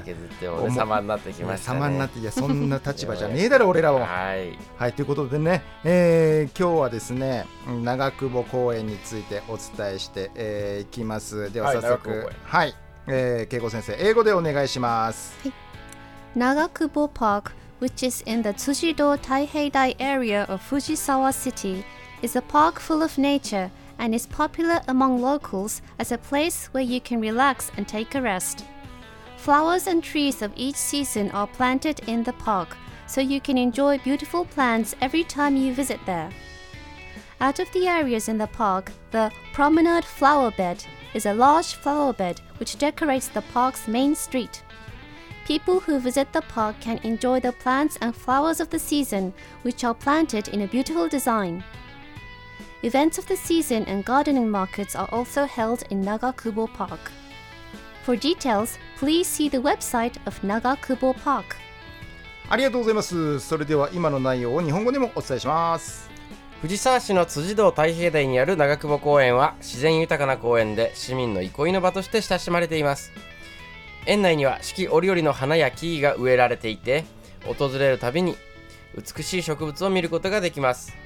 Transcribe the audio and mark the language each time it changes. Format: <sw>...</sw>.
<ja>削って削って、俺様になってきましたね。様になって、いやそんな立場じゃねえだろ俺らは。はい、はい、ということでね、今日はですね、長久保公園についてお伝えしてい、きます。では早速、はい、はい、恵子先生、英語でお願いします。</ja> <en>長久保パーク、which is in the Tsujido Taiheidai area of Fujisawa City, is a park full of nature and is popular among locals as a place where you can relax and take a rest. Flowers and trees of each season are planted in the park, so you can enjoy beautiful plants every time you visit there. Out of the areas in the park, the Promenade Flower Bed is a large flower bed which decorates the park's main street. People who visit the park can enjoy the plants and flowers of the season, which are planted in a beautiful design. Events of the season and gardening markets are also held in Nagakubo Park. For details, please see the website of Nagakubo Park.</en> <ja>ありがとうございます。それでは今の内容を日本語でもお伝えします。藤沢市の辻堂太平台にある長久保公園は自然豊かな公園で、市民の憩いの場として親しまれています。園内には四季折々の花や木々が植えられていて、訪れるたびに美しい植物を見ることができます。</ja>